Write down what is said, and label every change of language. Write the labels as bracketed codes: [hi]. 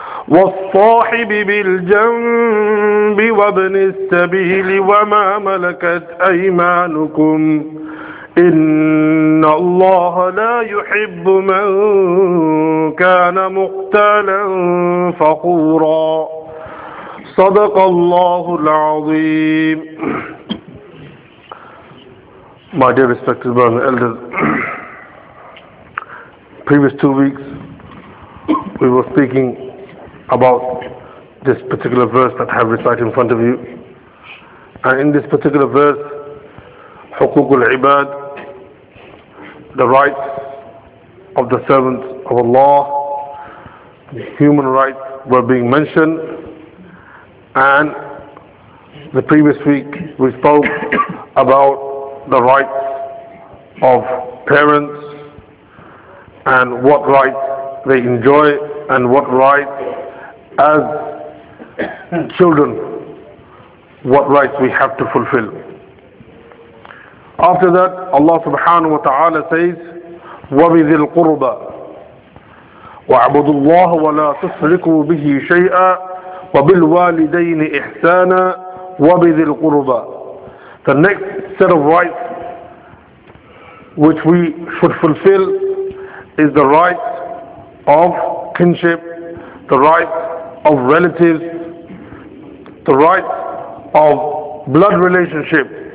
[ar] والصاحب بالجنب وابن السبيل وما ملكت أيمانكم إن الله لا يحب من كان مختالا فخورا صدق الله العظيم. [en] My dear respected brothers and elders, previous 2 weeks we were speaking about this particular verse that I have recited in front of you. And in this particular verse, [ar] حقوق العباد, [en] the rights of the servants of Allah, human rights were being mentioned. And the previous week we spoke about the rights of parents and what rights they enjoy and what rights as children, what rights we have to fulfill. After that, Allah subhanahu wa ta'ala says, [ar] وَبِذِي الْقُرْبَى وَعْبُدُ اللَّهُ وَلَا تُسْرِكُوا بِهِ شَيْئًا وَبِالْوَالِدَيْنِ إِحْسَانًا وَبِذِي الْقُرْبَى. [en] The next set of rights which we should fulfill is the rights of kinship, the rights of relatives, the rights of blood relationship.